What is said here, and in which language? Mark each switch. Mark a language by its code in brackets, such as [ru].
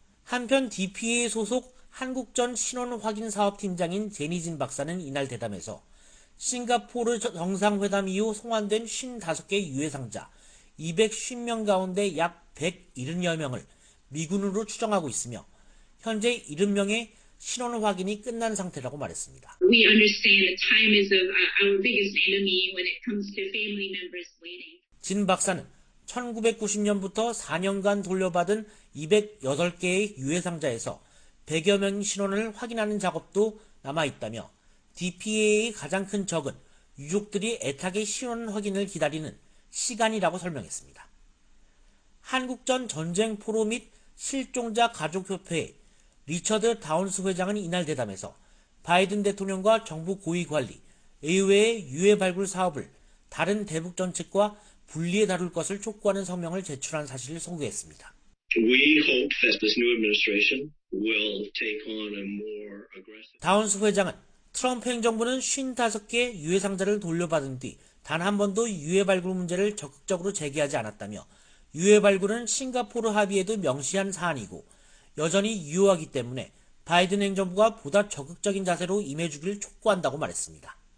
[ko] 한편 DPA 소속 한국전 신원 확인 사업팀장인 제니진 박사는 이날 대담에서 싱가포르 정상회담 이후 송환된 55개 유해상자 250명 가운데 약 170여 명을 미군으로 추정하고 있으며 현재 70명의 신원 확인이 끝난 상태라고 말했습니다. [en] We understand that time is our biggest enemy when it comes to family members waiting. [ko] 진 박사는 1990년부터 4년간 돌려받은 208개의 유해상자에서 100여 명 신원을 확인하는 작업도 남아있다며 DPA의 가장 큰 적은 유족들이 애타게 신원 확인을 기다리는 시간이라고 설명했습니다. 한국전 전쟁 포로 및 실종자 가족협회의 리처드 다운스 회장은 이날 대담에서 바이든 대통령과 정부 고위관리, 의회의 유해 발굴 사업을 다른 대북정책과 분리해 다룰 것을 촉구하는 성명을 제출한 사실을 소개했습니다. [en] We hope that this new administration will take on a more aggressive. [ko] 다운스 회장은 트럼프 행정부는 55개 유해 상자를 돌려받은 뒤 단 한 번도 유해 발굴 문제를 적극적으로 제기하지 않았다며 유해 발굴은 싱가포르 합의에도 명시한 사안이고 여전히 유효하기 때문에 바이든 행정부가 보다 적극적인 자세로 임해주길 촉구한다고 말했습니다.